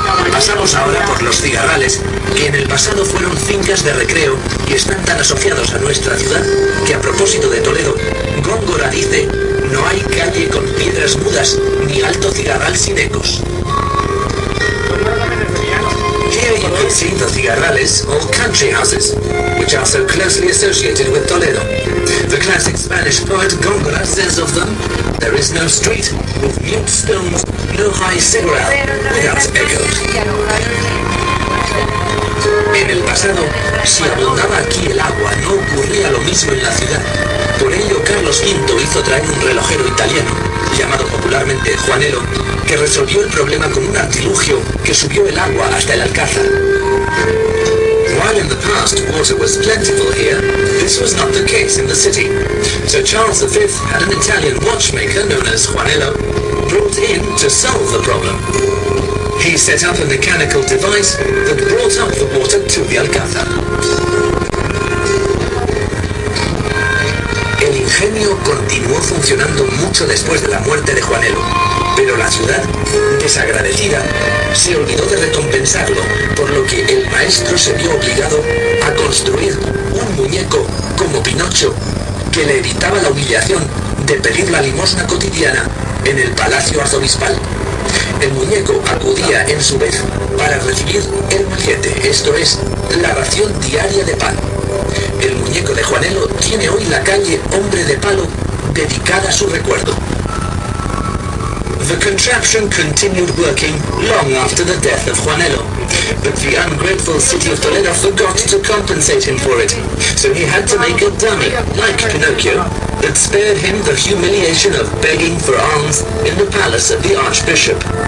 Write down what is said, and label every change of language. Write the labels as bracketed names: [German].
[Spanish] Pasamos ahora por los cigarrales, que en el pasado fueron fincas de recreo y están tan asociados a nuestra ciudad que, a propósito de Toledo, Góngora dice: no hay calle con piedras mudas ni alto cigarral sin ecos. [English] See the cigarrales, or country houses, which are so closely associated with Toledo. The classic Spanish poet Góngora says of them: there is no street with mute stones, no high cigarrillo without echoes. [Spanish] En el pasado, si abundaba aquí el agua, no ocurría lo mismo en la ciudad. Por ello, Carlos V hizo traer un relojero italiano, llamado popularmente Juanelo, que resolvió el problema con un artilugio que subió el agua hasta el Alcázar. [English] While in the past water was plentiful here, this was not the case in the city. So Charles V had an Italian watchmaker known as Juanelo brought in to solve the problem. He set up a mechanical device that brought up the water to the Alcázar. [Spanish] El ingenio continuó funcionando mucho después de la muerte de Juanelo, pero la ciudad, desagradecida, se olvidó de recompensarlo, por lo que el maestro se vio obligado a construir un muñeco como Pinocho, que le evitaba la humillación de pedir la limosna cotidiana en el palacio arzobispal. El muñeco acudía en su vez para recibir el maquete, esto es, la ración diaria de pan. El muñeco de Juanelo tiene hoy la calle Hombre de Palo dedicada a su recuerdo. [English] The contraption continued working long after the death of Juanelo, but the ungrateful city of Toledo forgot to compensate him for it, so he had to make a dummy, like Pinocchio, that spared him the humiliation of begging for alms in the palace of the archbishop.